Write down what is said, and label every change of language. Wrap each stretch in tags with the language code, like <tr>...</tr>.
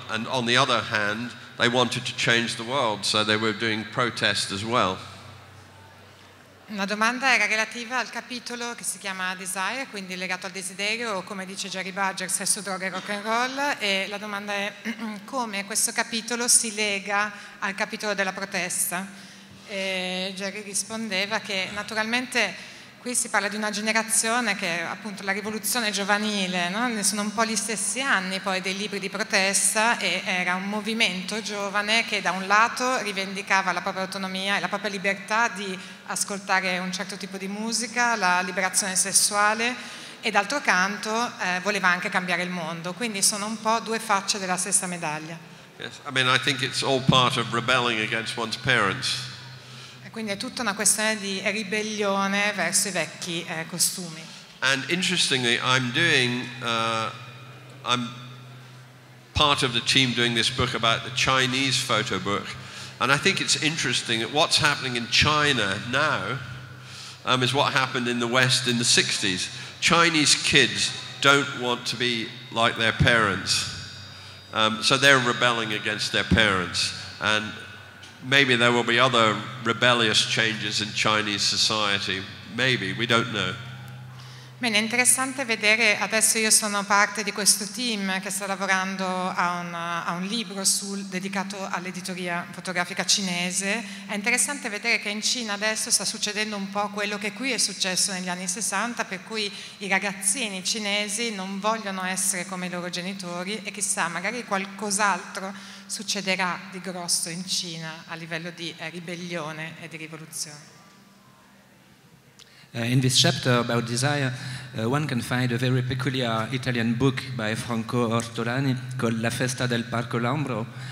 <en>And on the other hand, they wanted to change the world, so they were doing protest as well.</en> <it>La domanda era relativa al capitolo che si chiama Desire, quindi legato al desiderio, o come dice Jerry Badger, sesso, droga e rock and roll, e la domanda è come questo capitolo si lega al capitolo della protesta. E Jerry rispondeva che naturalmente qui si parla di una generazione che è appunto la rivoluzione giovanile, no? Sono un po' gli stessi anni poi dei libri di protesta, e era un movimento giovane che da un lato rivendicava la propria autonomia e la propria libertà di ascoltare un certo tipo di musica, la liberazione sessuale, e d'altro canto voleva anche cambiare il mondo. Quindi sono un po' due facce della stessa medaglia.</it> <en>Yes, I mean, I think it's all part of rebelling against one's parents.</en> <it>Quindi è tutta una questione di ribellione verso i vecchi costumi.</it> <en>And interestingly, I'm doing, I'm part of the team doing this book about the Chinese photo book. And I think it's interesting that what's happening in China now is what happened in the West in the 60s. Chinese kids don't want to be like their parents. So they're rebelling against their parents. And maybe there will be other rebellious changes in Chinese society. Maybe, we don't know.</en> <it>Bene, è interessante vedere, adesso io sono parte di questo team che sta lavorando a un libro sul, dedicato all'editoria fotografica cinese. È interessante vedere che in Cina adesso sta succedendo un po' quello che qui è successo negli anni 60, per cui i ragazzini cinesi non vogliono essere come i loro genitori, e chissà, magari qualcos'altro succederà di grosso in Cina a livello di ribellione e di rivoluzione.</it> <en>In this chapter about desire, one can find a very peculiar Italian book by Franco Ortolani called La Festa del Parco Lambro.</en>